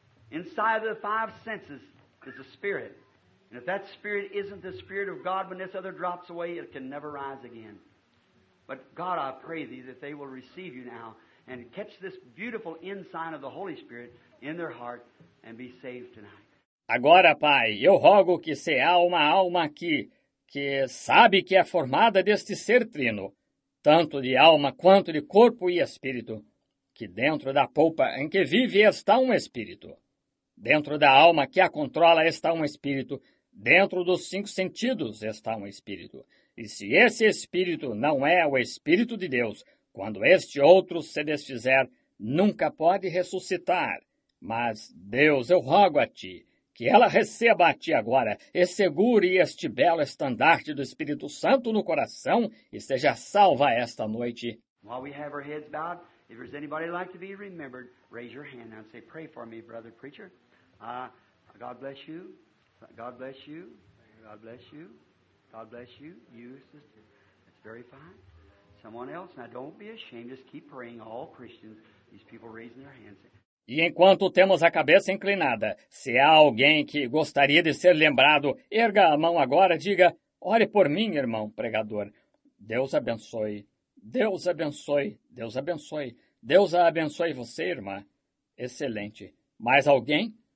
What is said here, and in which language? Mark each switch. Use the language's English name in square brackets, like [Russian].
[English] Inside the 5 senses is a spirit. And if that spirit isn't the spirit of God, when this other drops away, it can never rise again. But God, I pray thee that they will receive you now and catch this beautiful ensign of the Holy Spirit in their heart and be saved tonight. [Portuguese] Agora, Pai, eu rogo que se há uma alma aqui que sabe que é formada deste ser trino, tanto de alma quanto de corpo e espírito, que dentro da polpa em que vive está um espírito. Dentro da alma que a controla está um espírito. Dentro dos 5 sentidos está um espírito. E se esse espírito não é o Espírito de Deus, quando este outro se desfizer, nunca pode ressuscitar. Mas, Deus, eu rogo a ti Que ela receba a ti agora e segure este belo estandarte do Espírito Santo no coração e seja salva esta noite. [English] While we have our heads bowed, if there's anybody like to be remembered, raise your hand and say, pray for me, brother preacher. God bless you. God bless you. God bless you. God bless you. You, sister. That's very fine. Someone else. Now, don't be ashamed. Just keep praying. All Christians, these people raising their hands. [Portuguese] E enquanto temos a cabeça inclinada, se há alguém que gostaria de ser lembrado, erga a mão agora e diga, ore por mim, irmão pregador. Deus abençoe. Deus abençoe. Deus abençoe. Deus abençoe você, irmã. Excelente. Mais alguém?